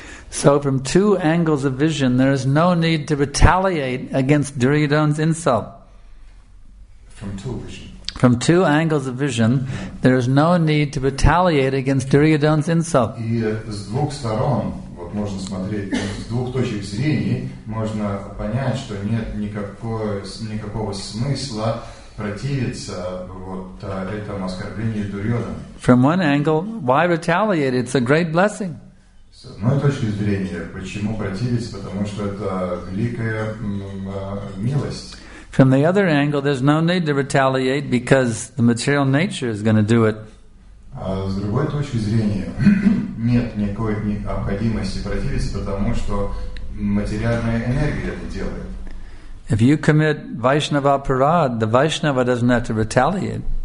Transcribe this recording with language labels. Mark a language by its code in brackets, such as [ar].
[en] So from two angles of vision, there is no need to retaliate against Duryodhana's insult. From two angles of vision, there is no need to retaliate against Duryodhana's insult. [ru] И с двух сторон, вот можно смотреть, с двух точек зрения, можно понять, что нет никакого смысла противиться вот этому оскорблению Дурьодана. [en] From one angle, why retaliate? It's a great blessing. [ru] С одной точки зрения, почему противиться? Потому что это великая милость. [en] From the other angle, there's no need to retaliate because the material nature is going to do it. [ru] С другой точки зрения, нет никакой необходимости противиться, потому что материальная энергия это делает. [en] If you commit Vaishnava Parad, the Vaishnava doesn't have to retaliate.